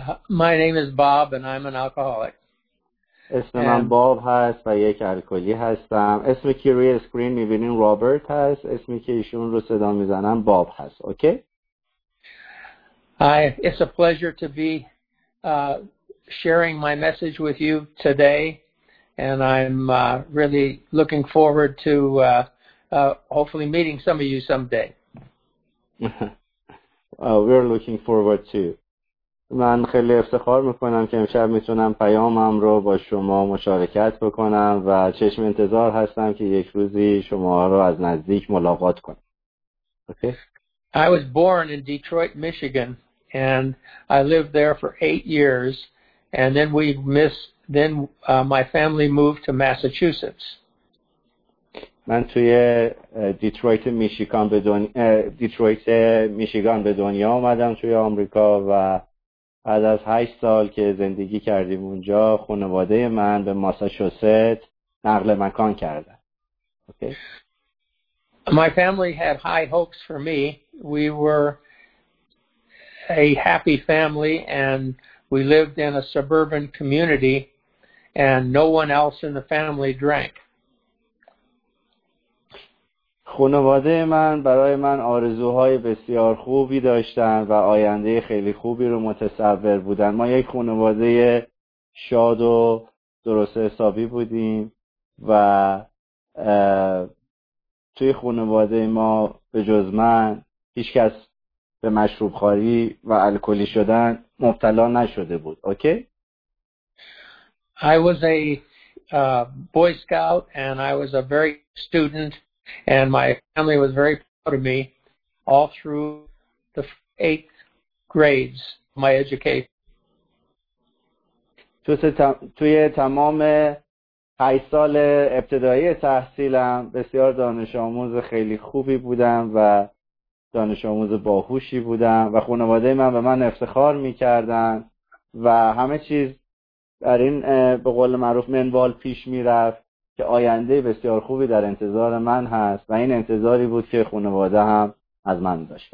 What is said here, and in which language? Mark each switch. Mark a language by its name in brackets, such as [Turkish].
[English] My name is Bob and I'm an alcoholic. [Persian] اسم من باب هست و یک الکلی هستم. اسم که روی اسکرین می‌بینین رابرت هست، اسمی که ایشون رو صدا می‌زنن باب هست. اوکی. [English] It's a pleasure to be sharing my message with you today, and I'm really looking forward to hopefully meeting some of you someday. We're looking forward to. [Persian] من خیلی افتخار میکنم که امشب میتونم پیامم رو با شما مشارکت بکنم و چشم انتظار هستم که یک روزی شما رو از نزدیک ملاقات کنم. [English] I was born in Detroit, Michigan. And I lived there for 8 years, and then my family moved to Massachusetts. [Persian] من توی دیترویت میشیگان به دنیا اومدم توی آمریکا، و بعد از 8 سال که زندگی کردیم اونجا، خانواده من به ماساچوست نقل مکان کردن. [English] Okay. My family had high hopes for me. We were a happy family, and we lived in a suburban community, and no one else in the family drank. [Persian] خانواده من برای من آرزوهای بسیار خوبی داشتند و آینده خیلی خوبی رو متصور بودند. ما یک خانواده شاد و درست حسابی بودیم و توی خانواده ما به جز من هیچ کس به مشروب خواری و الکلی شدن مبتلا نشده بود. اوکی. [English] I was a boy scout and I was a very student and my family was very proud of me all through the 8 grades of my education. [Persian] توی تمام 8 سال ابتدایی تحصیلم بسیار دانش آموز خیلی خوبی بودم و دانش آموز باهوشی بودم و خانواده من به من افتخار می‌کردن و همه چیز در این به قول معروف منوال پیش می‌رفت که آینده بسیار خوبی در انتظار من هست، و این انتظاری بود که خانواده هم از من داشت.